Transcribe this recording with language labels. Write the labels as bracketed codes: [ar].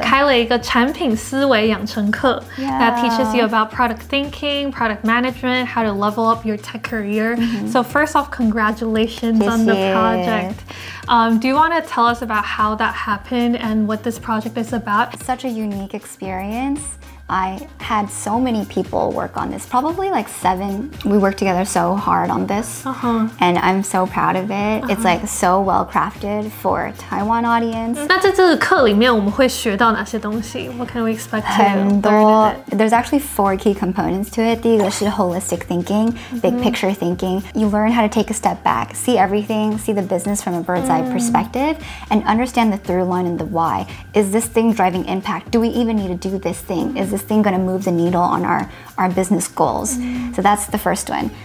[zh] 开了一个产品思维养成课、 [en] yeah. that teaches you about product thinking, product management, how to level up your tech career.、Mm-hmm. So first off, congratulations [zh] 谢谢 [en] on the project. Do you want to tell us about how that happened and what this project is about? Such a unique experience. I had so many people work on this. Probably like seven. We worked together so hard on this. Uh-huh. And I'm so proud of it. Uh-huh. It's like so well crafted for Taiwan audience. [zh] 那在这个课里面我们会学到哪些东西? [en] What can we expect to learn in it? There's actually four key components to it. 第一个是 holistic thinking, big picture thinking. You learn how to take a step back, see everything, see the business from a bird's eye perspective, and understand the through line and the why. Is this thing driving impact? Do we even need to do this thing? Is this thing going to move the needle on our business goals? So that's the first one.